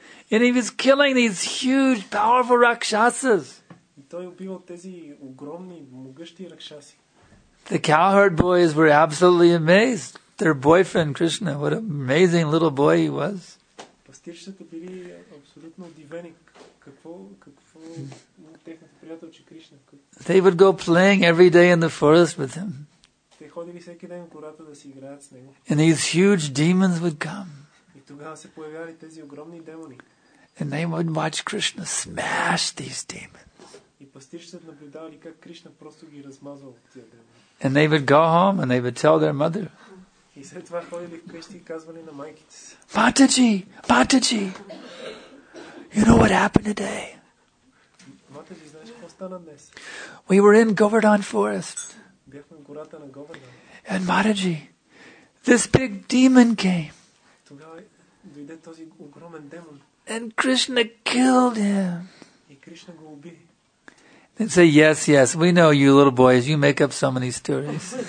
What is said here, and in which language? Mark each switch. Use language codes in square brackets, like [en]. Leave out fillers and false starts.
[en] And he was killing these huge, powerful rakshasas. The cowherd boys were absolutely amazed. Their boyfriend, Krishna, what an amazing little boy he was. [bg] Пастирчетата били абсолютно удивени какво техните приятелчи Кришна. [en] They would go playing every day in the forest with him. [bg] Те ходили всеки ден в гората да си играят с него. [en] And these huge demons would come. [bg] И тогава се появявали тези огромни демони. [en] And they would watch Krishna smash these demons. [bg] И пастирчетата наблюдавали как Кришна просто ги размазвал от тия древа. [en] And they would go home and they would tell their mother. [bg] И след това ходили вкъщи и казвали на майките си. [en] Mataji, Mataji. You know what happened today? [bg] Mataji, знаеш какво стана днес? [en] We were in Govardhan Forest. [bg] Бяхме в гората на Говардан. [en] And Mataji, this big demon came. [bg] Тогава дойде този огромен демон. [en] And Krishna killed him. [bg] И Кришна го уби. [en] They say, yes, yes, we know you little boys, you make up so many stories.